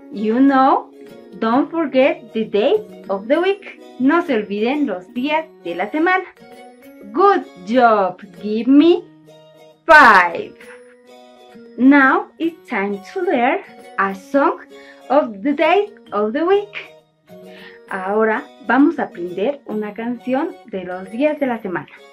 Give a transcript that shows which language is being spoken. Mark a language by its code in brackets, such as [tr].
[en] You know, don't forget the days of the week. [es] No se olviden los días de la semana. [en] Good job. Give me 5. Now it's time to learn a song of the day of the week. [es] Ahora vamos a aprender una canción de los días de la semana.